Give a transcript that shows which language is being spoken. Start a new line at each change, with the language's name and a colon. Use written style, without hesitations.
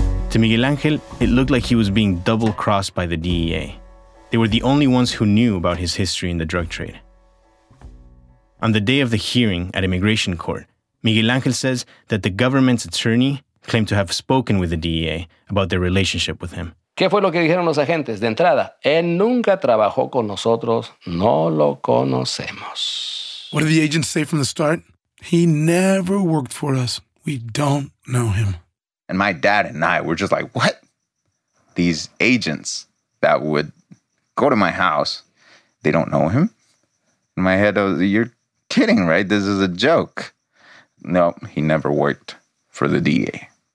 English: To Miguel Angel, it looked like he was being double-crossed by the DEA. They were the only ones who knew about his history in the drug trade. On the day of the hearing at immigration court, Miguel Angel says that the government's attorney claimed to have spoken with the DEA about their relationship with him.
Spanish: ¿Qué fue lo que dijeron los agentes? De entrada, él nunca trabajó con nosotros, no lo conocemos.
English: What did the agents say from the start? He never worked for us. We don't know him. And my dad and I were just like, what? These agents that would go to my house, they don't know him? In my head, I was, you're kidding, right? This is a joke. No, he never worked for the DEA.